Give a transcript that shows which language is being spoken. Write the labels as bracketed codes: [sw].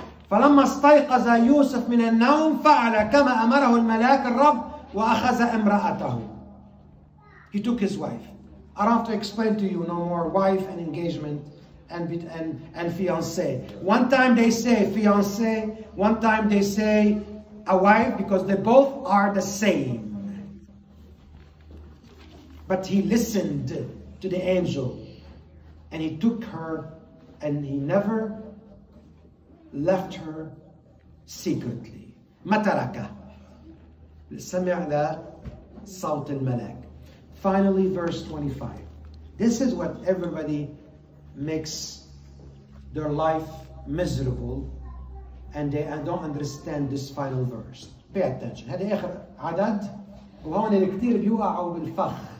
[ar] فلما استيقظ يوسف من النوم فعل كما أمره الملاك الرب وأخذ امرأته. [en] He took his wife. I don't have to explain to you no more wife and engagement and fiancé. One time they say fiancé, one time they say a wife, because they both are the same. But he listened to the angel and he took her and he never left her secretly. [ar] ما تركها. سمع ذا صوت الملاك. [en] Finally, verse 25. This is what everybody makes their life miserable, and they don't understand this final verse. Pay attention. [ar] هذا آخر عدد. وهون اللي كتير بيوقعوا بالفخ.